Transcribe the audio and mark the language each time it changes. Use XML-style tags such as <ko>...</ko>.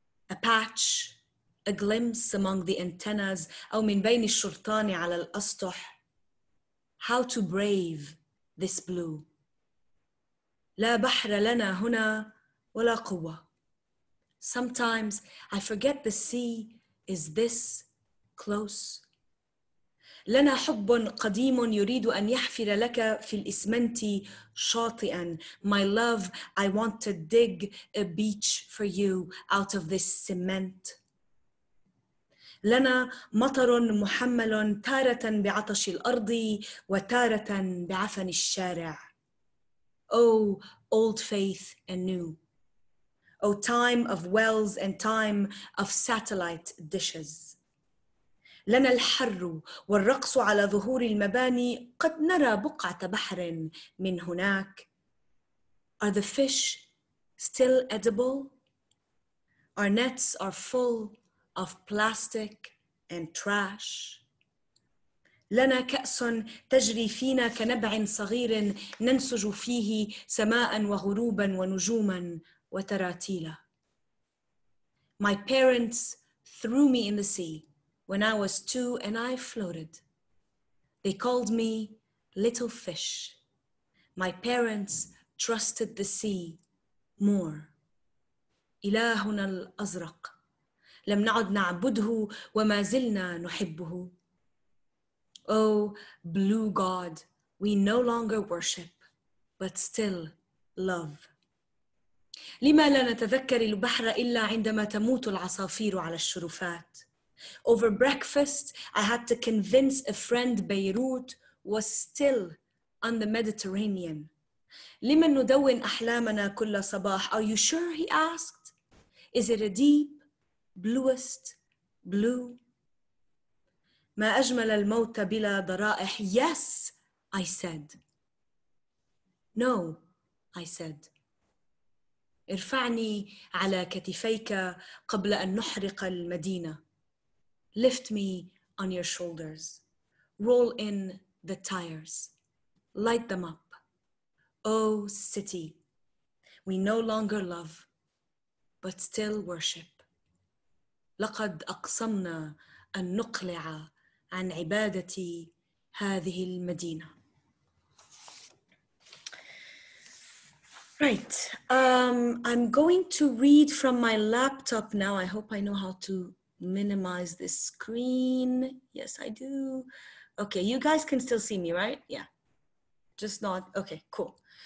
<en>A patch, a glimpse among the antennas,</en> <ar>aw min bayn ash-shurtani 'ala al-asthah.</ar> <en>How to brave this blue.</en> <ar>لا بحر لنا هنا ولا قوة.</ar> <en>Sometimes I forget the sea is this close.</en> <ar>لنا حب قديم يريد أن يحفر لك في الإسمنت شاطئا.</ar> <en>My love, I want to dig a beach for you out of this cement.</en> <ar>لنا مطر محمل تارة بعطش الأرض وتارة بعفن الشارع.</ar> <en>O old faith and new. O time of wells and time of satellite dishes.</en> <ar>لنا الحر والرقص على ظهور المباني قد نرى بقعة بحر من هناك.</ar> <en>Are the fish still edible? Our nets are full of plastic and trash.</en> <ar>لنا كأس تجري فينا كنبع صغير ننسج فيه سماء وغروبا ونجوما وتراتيلا.</ar> <en>My parents threw me in the sea when I was 2 and I floated. They called me little fish. My parents trusted the sea more.</en> <ar>إلهنا الأزرق لم نعد نعبده وما زلنا نحبه.</ar> <en>Oh, blue God, we no longer worship, but still love.</en> <ar>لما لا نتذكر البحر إلا عندما تموت العصافير على الشرفات.</ar> <en>Over breakfast, I had to convince a friend Beirut was still on the Mediterranean.</en> <ar>لما ندون أحلامنا كل صباح.</ar> <en>Are you sure? He asked. Is it a deep, bluest blue?</en> <ar>ما أجمل الموت بلا ضرائح.</ar> <en>Yes, I said. No, I said.</en> <ar>ارفعني على كتفيك قبل أن نحرق المدينة.</ar> <en>Lift me on your shoulders. Roll in the tires. Light them up. Oh, city. We no longer love, but still worship.</en> <ar>لقد أقسمنا أن نقلع عن عبادة هذه المدينة.</ar> <en>Right, I'm going to read from my laptop now. I hope I know how to minimize this screen. Yes, I do. Okay, you guys can still see me, right? Yeah, just not, okay, cool.</en>